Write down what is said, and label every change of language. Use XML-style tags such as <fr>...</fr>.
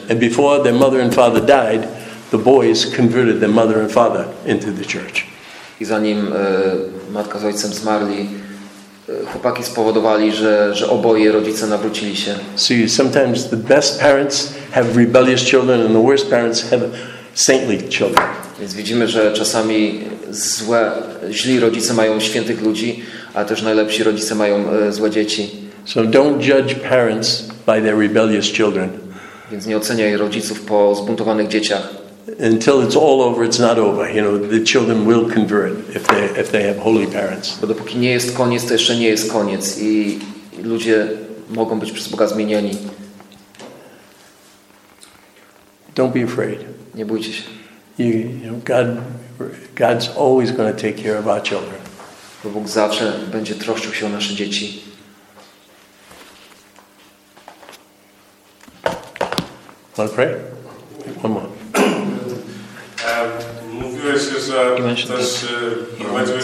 <en>And before their mother and father died, the boys converted their mother and father into the church.</en> <pl>I zanim matka z ojcem zmarli, chłopaki spowodowali, że oboje rodzice nawrócili się.</pl> <en>See, sometimes the best parents have rebellious children and the worst parents have saintly children.</en> <pl>Więc widzimy, że czasami źli rodzice mają świętych ludzi, a też najlepsi rodzice mają złe dzieci.</pl> <en>So don't judge parents by their rebellious children.</en> <pl>Więc nie oceniaj rodziców po zbuntowanych dzieciach.</pl> <en>Until it's all over, it's not over. You know, the children will convert if they have holy parents.</en> <pl>Bo dopóki nie jest koniec, to jeszcze nie jest koniec i ludzie mogą być przez Boga zmienieni.</pl> <en>Don't be afraid.</en> <pl>Nie bójcie się.</pl> <en>You know, God's always going to take care of our children.</en> <pl>Bo Bóg zawsze będzie troszczył się o nasze dzieci.</pl> <en>Want to pray? One more.</en> <pl>Mówiłeś, że też prowadziłeś</pl>